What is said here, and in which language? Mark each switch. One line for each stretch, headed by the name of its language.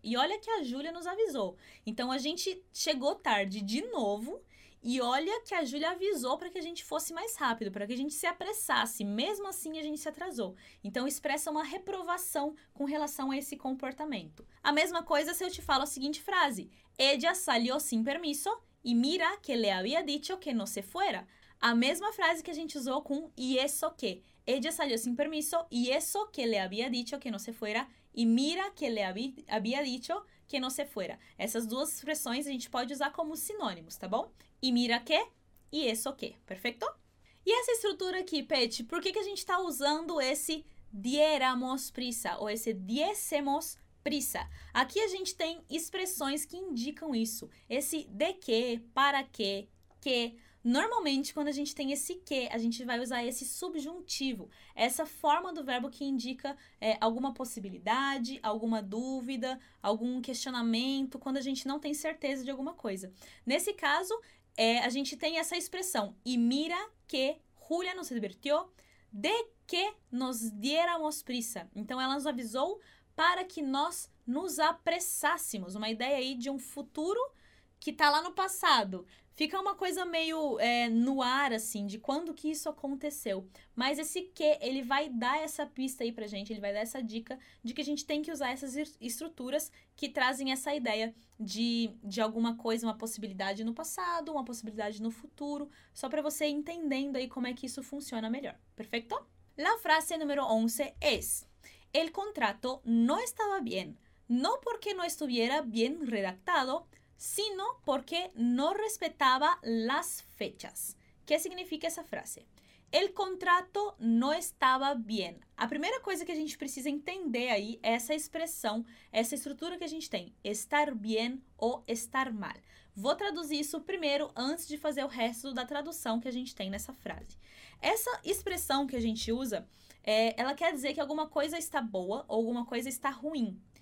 Portuguese: E olha que a Julia nos avisou. Então a gente chegou tarde de novo. E olha que a Julia avisou para que a gente fosse mais rápido, para que a gente se apressasse. Mesmo assim a gente se atrasou. Então expressa uma reprovação com relação a esse comportamento. A mesma coisa se eu te falo a seguinte frase:
Spanish: Ella salió sin permiso. E mira que le había dicho que no se fuera.
Portuguese: A mesma frase que a gente usou com
Spanish: e eso que. Ella salió sin permiso y eso que le había dicho que no se fuera y mira que le había dicho que no se fuera.
Portuguese: Essas duas expressões a gente pode usar como sinônimos, tá bom?
Spanish: Y mira que y eso que, perfecto?
Portuguese: E essa estrutura aqui, Pet, por que a gente está usando esse
Spanish: diéramos prisa
Portuguese: ou esse
Spanish: diésemos prisa?
Portuguese: Aqui a gente tem expressões que indicam isso. Esse de que, para que... Normalmente, quando a gente tem esse que, a gente vai usar esse subjuntivo. Essa forma do verbo que indica alguma possibilidade, alguma dúvida, algum questionamento, quando a gente não tem certeza de alguma coisa. Nesse caso, a gente tem essa expressão.
Spanish: E mira que Julia nos advirtió de que nos diéramos prisa.
Portuguese: Então, ela nos avisou para que nós nos apressássemos. Uma ideia aí de um futuro que está lá no passado. Fica uma coisa meio no ar, assim, de quando que isso aconteceu. Mas esse que, ele vai dar essa pista aí pra gente, ele vai dar essa dica de que a gente tem que usar essas estruturas que trazem essa ideia de alguma coisa, uma possibilidade no passado, uma possibilidade no futuro, só pra você ir entendendo aí como é que isso funciona melhor. Perfeito?
Spanish: La frase número 11 es: El contrato no estaba bien, no porque no estuviera bien redactado, sino porque no respetaba las fechas. ¿Qué significa esa frase? El contrato no estaba bien.
Portuguese: A primeira coisa que a gente precisa entender aí é essa expressão, essa estrutura que a gente tem,
Spanish: estar bien
Portuguese: ou
Spanish: estar mal.
Portuguese: Vou traduzir isso primeiro antes de fazer o resto da tradução que a gente tem nessa frase. Essa expressão que a gente usa, ela quer dizer que alguma coisa está boa ou alguma coisa está ruim.